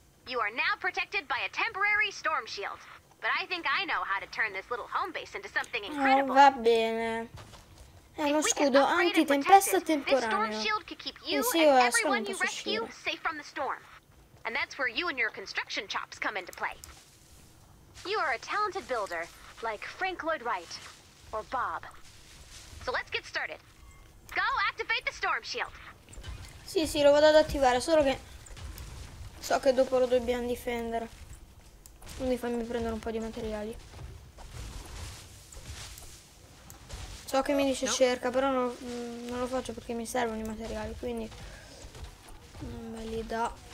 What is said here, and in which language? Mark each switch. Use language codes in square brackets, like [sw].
[en] You are now protected by a temporary storm shield. But I think I know how to turn this little home base into something incredible. [it] Va bene. È lo scudo antitempesta temporaneo. [en] This storm shield could keep you and everyone you rescue safe from the storm. And that's where you and your construction chops come into play. You are a talented builder, like Frank Lloyd Wright or Bob. So let's get started. Go activate the storm shield. [it] Sì, sì, lo vado ad attivare, solo che so che dopo lo dobbiamo difendere. Quindi fammi prendere un po' di materiali. So che mi dice cerca, però non lo faccio perché mi servono i materiali, quindi me li dà.